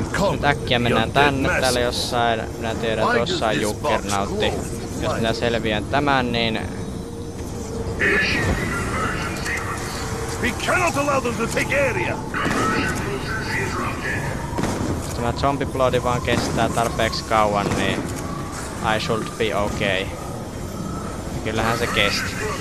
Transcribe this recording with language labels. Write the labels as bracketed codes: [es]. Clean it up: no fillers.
[fi] Nyt äkkiä mennään tänne, täällä jossain, minä tiedän, jossain jukkernautti. Jos minä selviän tämän, niin... [en] We cannot allow them to take area. [fi] tämä zombie bloodi vaan kestää tarpeeksi kauan, niin [en] I should be okay. [fi] Kyllähän se kesti.